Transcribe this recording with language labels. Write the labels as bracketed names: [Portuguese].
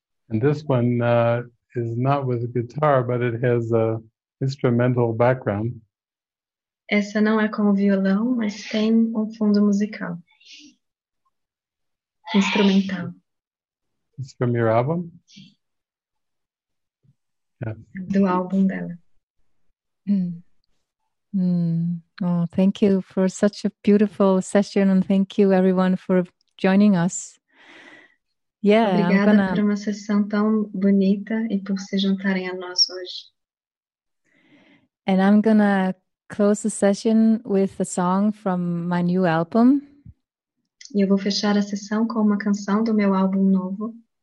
[English] And this one is not with a guitar, but it has a instrumental background. [Portuguese] Essa não é com o violão, mas tem um fundo musical. [English] Instrumental. It's from your album? [Portuguese] Do álbum dela. [English] Oh, thank you for such a beautiful session and thank you everyone for joining us. Yeah, [Portuguese] obrigada por uma sessão tão bonita e por se juntarem a nós hoje. [English] And I'm gonna close the session with a song from my new album. [Portuguese] E eu vou fechar a sessão com uma canção do meu álbum novo.